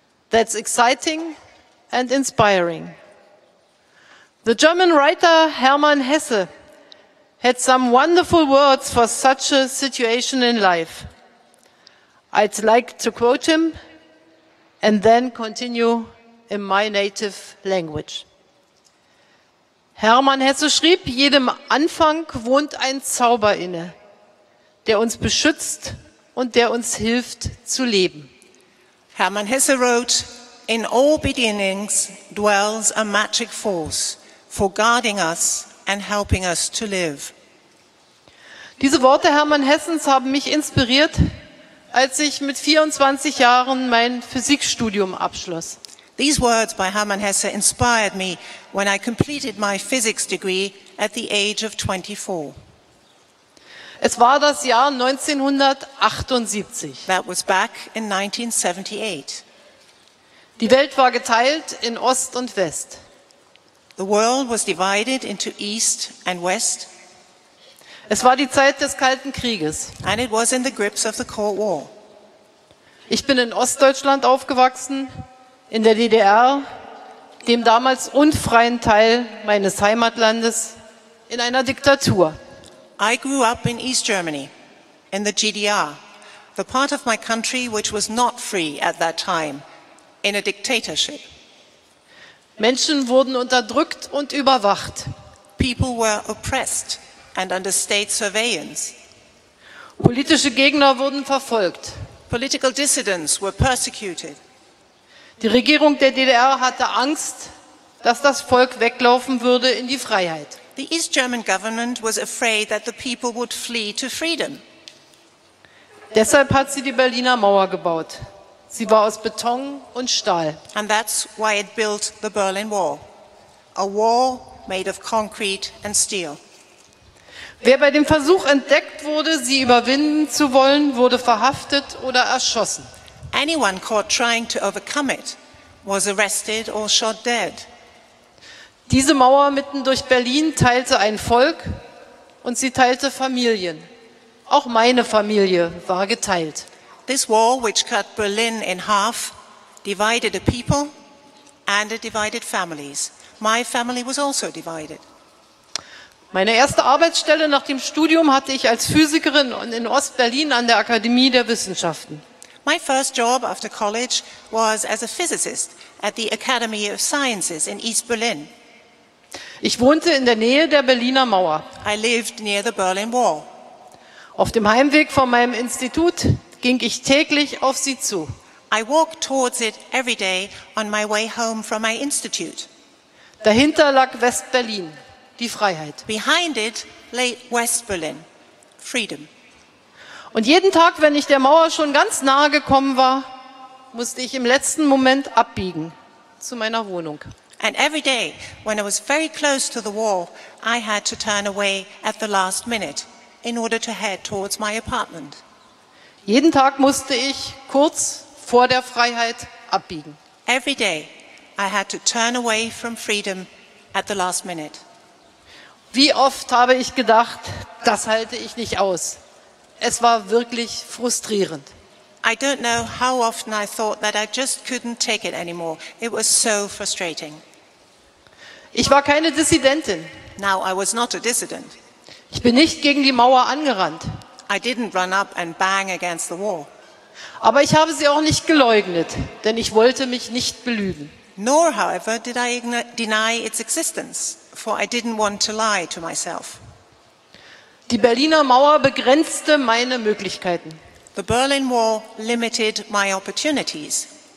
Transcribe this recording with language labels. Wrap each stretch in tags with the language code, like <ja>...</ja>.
<en>That's exciting and inspiring. The German writer Hermann Hesse had some wonderful words for such a situation in life. I'd like to quote him and then continue in my native language.</en> <de>Hermann Hesse schrieb, jedem Anfang wohnt ein Zauber inne, der uns beschützt und der uns hilft zu leben.</de> <en>Hermann Hesse wrote, in all beginnings dwells a magic force for guarding us and helping us to live.</en> <de>Diese Worte Hermann Hessens haben mich inspiriert, als ich mit 24 Jahren mein Physikstudium abschloss.</de> <en>These words by Hermann Hesse inspired me when I completed my physics degree at the age of 24.</en> <de>Es war das Jahr 1978.</de> <en>That was back in 1978.</en> <de>Die Welt war geteilt in Ost und West.</de> <en>The world was divided into East and West.</en> <de>Es war die Zeit des Kalten Krieges.</de> <en>And it was in the grips of the Cold War.</en> <de>Ich bin in Ostdeutschland aufgewachsen, in der DDR, dem damals unfreien Teil meines Heimatlandes, in einer Diktatur.</de> <en>I grew up in East Germany, in the GDR, the part of my country which was not free at that time, in a dictatorship.</en> <de>Menschen wurden unterdrückt und überwacht.</de> <en>People were oppressed and under state surveillance.</en> <de>Politische Gegner wurden verfolgt.</de> <en>Political dissidents were persecuted.</en> <de>Die Regierung der DDR hatte Angst, dass das Volk weglaufen würde in die Freiheit.</de> <en>The East German government was afraid that the people would flee to freedom.</en> <de>Deshalb hat sie die Berliner Mauer gebaut. Sie war aus Beton und Stahl.</de> <en>And that's why it built the Berlin Wall. A wall made of concrete and steel.</en> <de>Wer bei dem Versuch entdeckt wurde, sie überwinden zu wollen, wurde verhaftet oder erschossen.</de> <en>Anyone caught trying to overcome it was arrested or shot dead.</en> <de>Diese Mauer mitten durch Berlin teilte ein Volk und sie teilte Familien. Auch meine Familie war geteilt.</de> <en>This wall which cut Berlin in half divided a people and it divided families. My family was also divided.</en> <de>Meine erste Arbeitsstelle nach dem Studium hatte ich als Physikerin in Ost-Berlin an der Akademie der Wissenschaften.</de> <en>My first job after college was as a physicist at the Academy of Sciences in East Berlin.</en> <de>Ich wohnte in der Nähe der Berliner Mauer.</de> <en>I lived near the Berlin Wall.</en> <de>Auf dem Heimweg von meinem Institut ging ich täglich auf sie zu.</de> <en>I walked towards it every day on my way home from my institute.</en> <de>Dahinter lag West-Berlin. Die Freiheit.</de> <en>Behind it lay West Berlin, freedom.</en> <de>Und jeden Tag, wenn ich der Mauer schon ganz nahe gekommen war, musste ich im letzten Moment abbiegen zu meiner Wohnung.</de> <en>And every day, when I was very close to the wall, I had to turn away at the last minute in order to head towards my apartment.</en> <de>Jeden Tag musste ich kurz vor der Freiheit abbiegen.</de> <en>Every day, I had to turn away from freedom at the last minute.</en> <de>Wie oft habe ich gedacht, das halte ich nicht aus. Es war wirklich frustrierend.</de> <en>I don't know how often I thought that I just couldn't take it anymore. It was so frustrating.</en> <de>Ich war keine Dissidentin.</de> <en>Now I was not a dissident.</en> <de>Ich bin nicht gegen die Mauer angerannt.</de> <en>I didn't run up and bang against the wall.</en> <de>Aber ich habe sie auch nicht geleugnet, denn ich wollte mich nicht belügen.</de> <en>Nor, however, did I deny its existence, for I didn't want to lie to myself.</en> <de>Die Berliner Mauer begrenzte meine Möglichkeiten.</de> <en>The Berlin Wall limited my opportunities.</en>